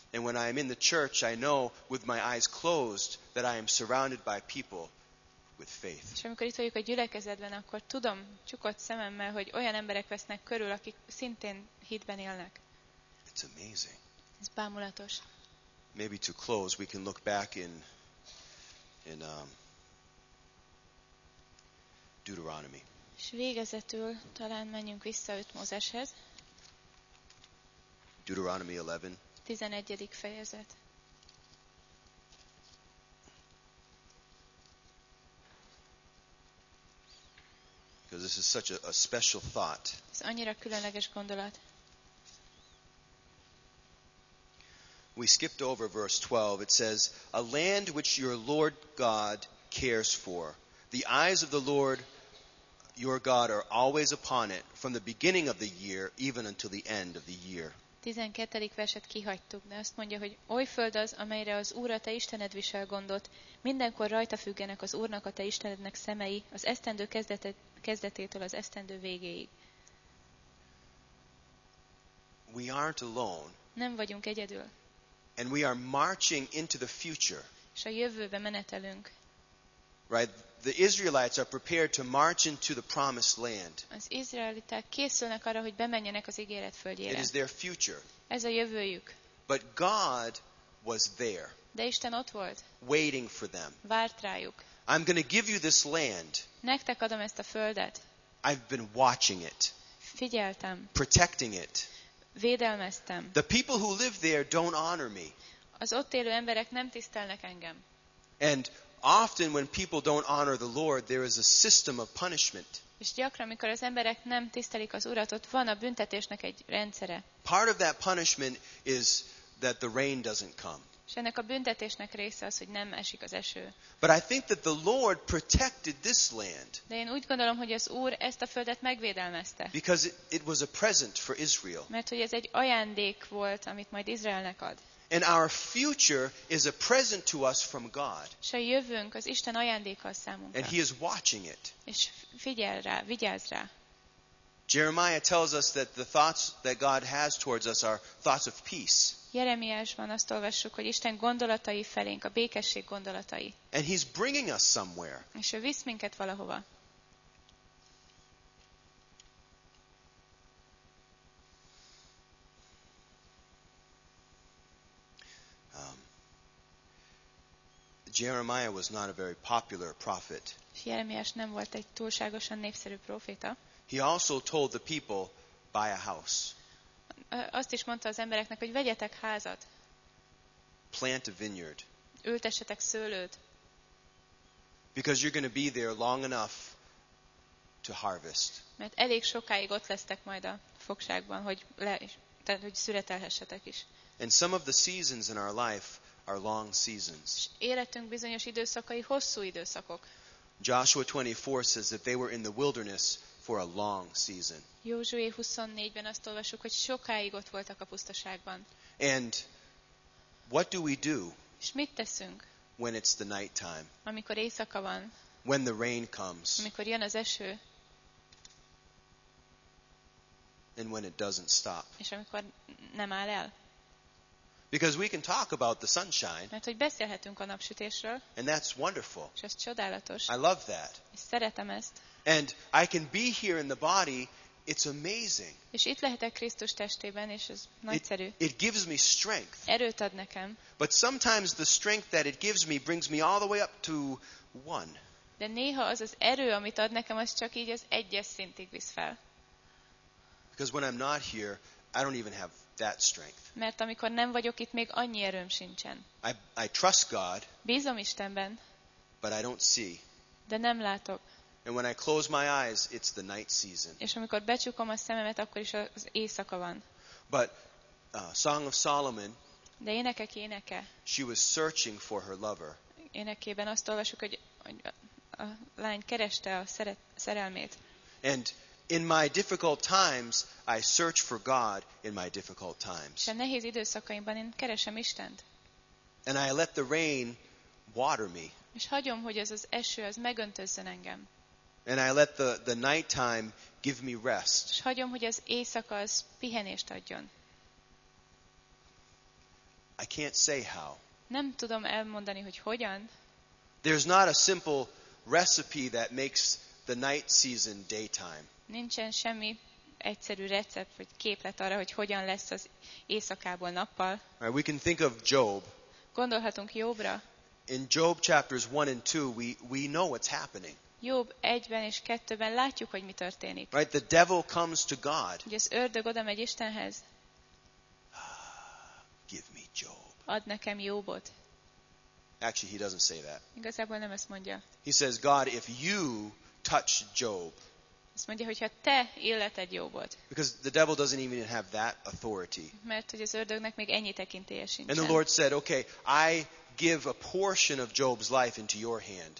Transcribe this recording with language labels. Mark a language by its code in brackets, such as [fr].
[en] And when I am in the church, I know with my eyes closed that I am surrounded by people with faith. [hu] És amikor itt vagyok a gyülekezetben, akkor tudom csukott szememmel, hogy olyan emberek vesznek körül, akik szintén hitben élnek. [en] It's amazing. [hu] Ez bámulatos. [en] Maybe to close, we can look back in Deuteronomy. [hu] És végezetül talán menjünk vissza 5 Mózeshez. [en] Deuteronomy 11. [hu] 11. fejezet. [en] Because this is such a special thought. [hu] Ez annyira különleges gondolat. [en] We skipped over verse 12. It says, "A land which your Lord God cares for. The eyes of the Lord your God are always upon it, from the beginning of the year even until the end of the year." [hu] 12. verset kihagytuk, de azt mondja, hogy oly föld az, amelyre az Úr a te Istened visel gondot, mindenkor rajta függenek az Úrnak a te Istenednek szemei, az esztendő kezdetétől az esztendő végéig. [en] We aren't alone. [hu] Nem vagyunk egyedül. [en] And we are marching into the future. [hu] És a jövőbe menetelünk. [en] Right? The Israelites are prepared to march into the promised land. [hu] Az izraeliták készülnek arra, hogy bemenjenek az ígéret földjére. [en] It is their future. [hu] Ez a jövőjük. [en] But God was there. [hu] De Isten ott volt. [en] Waiting for them. [hu] Várt rájuk. [en] I'm going to give you this land. [hu] Nektek adom ezt a földet. [en] I've been watching it. [hu] Figyeltem. [en] Protecting it. [hu] Védelmeztem. [en] The people who live there don't honor me. [hu] Az ott élő emberek nem tisztelnek engem. [en] And often when people don't honor the Lord, there is a system of punishment. [hu] És gyakran, amikor az emberek nem tisztelik az Urat, ott van a büntetésnek egy rendszere. [en] Part of that punishment is that the rain doesn't come. [hu] És ennek a büntetésnek része az, hogy nem esik az eső. [en] But I think that the Lord protected this land. [hu] De én úgy gondolom, hogy az Úr ezt a földet megvédelmezte. [en] Because it was a present for Israel. [hu] Mert hogy ez egy ajándék volt, amit majd Izraelnek ad. [en] And our future is a present to us from God. [hu] És a jövőnk az Isten ajándéka a számunkra. [en] And He is watching it. [hu] És figyel rá, vigyázz rá. [en] Jeremiah tells us that the thoughts that God has towards us are thoughts of peace. [hu] Jeremiásban azt olvassuk, hogy Isten gondolatai felénk, a békesség gondolatai. [en] And He's bringing us somewhere. [hu] És ő visz minket valahova. [en] Jeremiah was not a very popular prophet. [hu] Jeremiás nem volt egy túlságosan népszerű proféta. [en] He also told the people, buy a house. [hu] Azt is mondta az embereknek, hogy vegyetek házat. [en] Plant a vineyard. [hu] Ültessetek szőlőt. [en] Because you're going to be there long enough to harvest. [hu] Mert elég sokáig ott lesztek majd a fogságban, hogy szüretelhessetek is. [en] And some of the seasons in our life are long seasons. [hu] Életünk bizonyos időszakai hosszú időszakok. [en] Joshua 24 says that they were in the wilderness for a long season. [hu] Józsué 24-ben azt olvassuk, hogy sokáig ott voltak a pusztaságban. [en] And what do we do? [hu] És mit teszünk? [en] When it's the night time. [hu] Amikor éjszaka van. [en] When the rain comes. [hu] Amikor jön az eső. [en] And when it doesn't stop. [hu] És amikor nem áll el. [en] Because we can talk about the sunshine. [hu] Mert hogy beszélhetünk a napsütésről. [en] And that's wonderful. [hu] És ez csodálatos. [en] I love that. [hu] És szeretem ezt. [en] And I can be here in the body. It's amazing. [hu] És itt lehetek Krisztus testében, és ez nagyszerű. [en] It gives me strength. [hu] Erőt ad nekem. [en] But sometimes the strength that it gives me brings me all the way up to one. [hu] De néha az az erő, amit ad nekem, az csak így az egyes szintig visz fel. [en] Because when I'm not here, I don't even have that strength. [hu] Mert amikor nem vagyok itt, még annyi erőm sincsen. [en] I trust God. [hu] Bízom Istenben. [en] But I don't see. [hu] De nem látok. [en] And when I close my eyes, it's the night season. [hu] És amikor becsukom a szememet, akkor is az éjszaka van. [en] But Song of Solomon. [hu] De Énekek éneke. [en] She was searching for her lover. [hu] Énekében azt olvasjuk, hogy a lány kereste a szerelmét. [en] And in my difficult times, I search for God in my difficult times. [hu] És a nehéz időszakaimban én keresem Istent. [en] And I let the rain water me. [hu] És hagyom, hogy ez az eső az megöntözzön engem. [en] And I let the nighttime give me rest. [hu] És hagyom, hogy az éjszaka az pihenést adjon. [en] I can't say how. [hu] Nem tudom elmondani, hogy hogyan. [en] There's not a simple recipe that makes the night season daytime. [hu] Nincsen semmi egyszerű recept vagy képlet arra, hogy hogyan lesz az éjszakából nappal. [en] Right, we can think of Job. [hu] Gondolhatunk Jobra. [en] In Job chapters 1 and 2 we know what's happening. [hu] Job 1-ben és 2-ben látjuk, hogy mi történik. [en] Right, the devil comes to God. [hu] Ugye az ördög oda megy Istenhez. [en] Give me Job. [hu] Add nekem Jobot. [en] Actually, he doesn't say that. [hu] Igazából nem ezt mondja. [en] He says, God, if you touch Job. [hu] Azt mondja, hogyha te illeted Jobot. [en] Because the devil doesn't even have that authority. [hu] Mert hogy az ördögnek még ennyi tekintélye sincsen. [en] And the Lord said, okay, I give a portion of Job's life into your hand.